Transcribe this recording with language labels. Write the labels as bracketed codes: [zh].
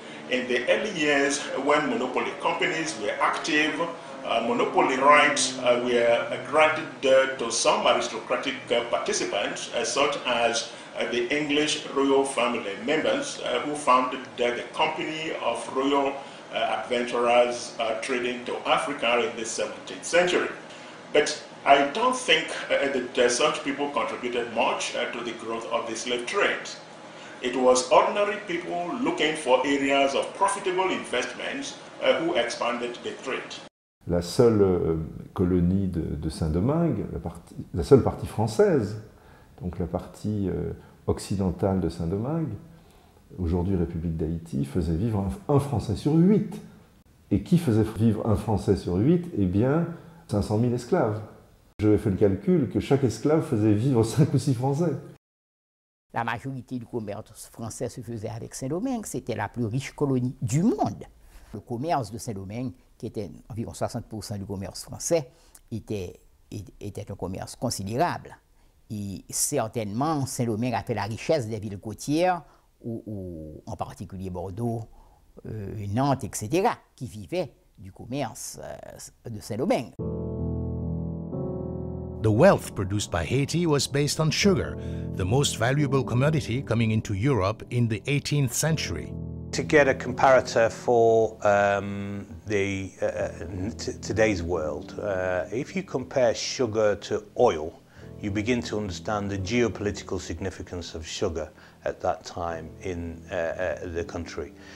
[en] In the early years, when monopoly companies were active, monopoly rights were granted to some aristocratic participants, such as the English royal family members who founded the Company of Royal Adventurers trading to Africa in the 17th century. But I don't think that such people contributed much to the growth of the slave trade. It was ordinary people looking for areas of profitable investments who expanded the trade. [fr] La seule colonie de Saint-Domingue, la seule partie française, donc la partie occidentale de Saint-Domingue, aujourd'hui République d'Haïti, faisait vivre un Français sur 8. Et qui faisait vivre un Français sur 8? Eh bien, 500 000 esclaves. J'avais fait le calcul que chaque esclave faisait vivre 5 ou 6 Français. La majorité du commerce français se faisait avec Saint-Domingue, c'était la plus riche colonie du monde. Le commerce de Saint-Domingue, qui était environ 60% du commerce français, était, était un commerce considérable. Et certainement, Saint-Domingue a fait la richesse des villes côtières, ou en particulier Bordeaux, Nantes, etc., qui vivaient du commerce de Saint-Domingue. [en] The wealth produced by Haiti was based on sugar, the most valuable commodity coming into Europe in the 18th century. To get a comparator for today's world, if you compare sugar to oil, you begin to understand the geopolitical significance of sugar at that time in the country.